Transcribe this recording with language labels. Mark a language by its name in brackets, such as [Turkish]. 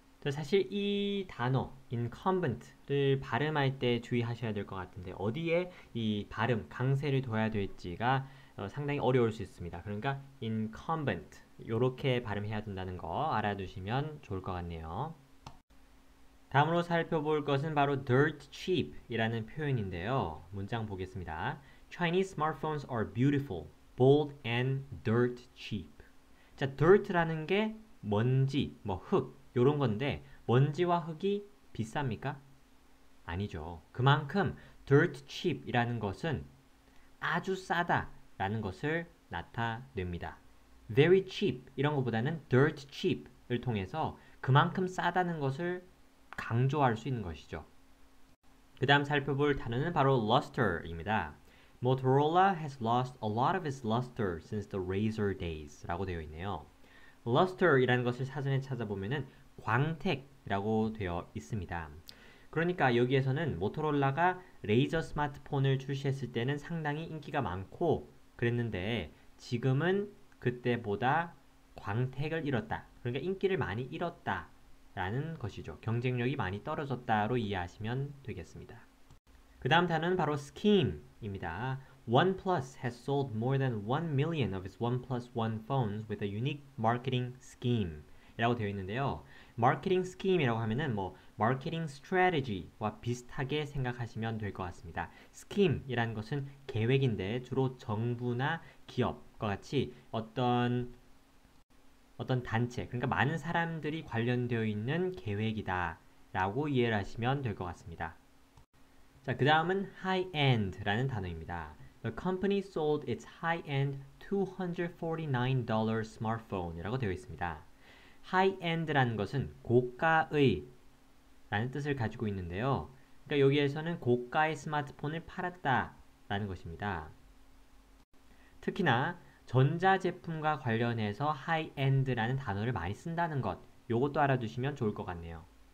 [Korean] 사실 이 단어 incumbent를 발음할 때 주의하셔야 될 것 같은데 어디에 이 발음 강세를 둬야 될지가 상당히 어려울 수 있습니다. 그러니까 incumbent 이렇게 발음해야 된다는 거 알아두시면 좋을 것 같네요. 다음으로 살펴볼 것은 바로 dirt cheap 이라는 표현인데요. 문장 보겠습니다. [English] Chinese smartphones are beautiful, bold and dirt cheap. [Korean] 자, dirt라는 게 먼지, 뭐 흙 요런 건데 먼지와 흙이 비쌉니까? 아니죠. 그만큼 dirt cheap 이라는 것은 아주 싸다 라는 것을 나타냅니다. very cheap 이런 것보다는 dirt cheap 을 통해서 그만큼 싸다는 것을 강조할 수 있는 것이죠. 그 다음 살펴볼 단어는 바로 luster 입니다. [English] Motorola has lost a lot of its luster since the Razr days [Korean] 라고 되어 있네요. luster 이라는 것을 사전에 찾아보면은 광택이라고 되어 있습니다. 그러니까 여기에서는 모토롤라가 레이저 스마트폰을 출시했을 때는 상당히 인기가 많고 그랬는데 지금은 그때보다 광택을 잃었다. 그러니까 인기를 많이 잃었다 라는 것이죠. 경쟁력이 많이 떨어졌다로 이해하시면 되겠습니다. 그 다음 단어는 바로 Scheme입니다. [English] OnePlus has sold more than 1 million of its OnePlus One phones with a unique marketing scheme [Korean] 라고 되어 있는데요. 마케팅 스킴이라고 하면은 뭐 마케팅 스트래티지와 비슷하게 생각하시면 될 것 같습니다. 스킴이라는 것은 계획인데 주로 정부나 기업과 같이 어떤 단체, 그러니까 많은 사람들이 관련되어 있는 계획이다 라고 이해를 하시면 될 것 같습니다. 자, 그 다음은 high-end라는 단어입니다. [English] The company sold its high-end $249 smartphone [Korean] 이라고 되어 있습니다. high-end라는 것은 고가의 라는 뜻을 가지고 있는데요. 그러니까 여기에서는 고가의 스마트폰을 팔았다 라는 것입니다. 특히나 전자제품과 관련해서 high-end라는 단어를 많이 쓴다는 것, 요것도 알아두시면 좋을 것 같네요.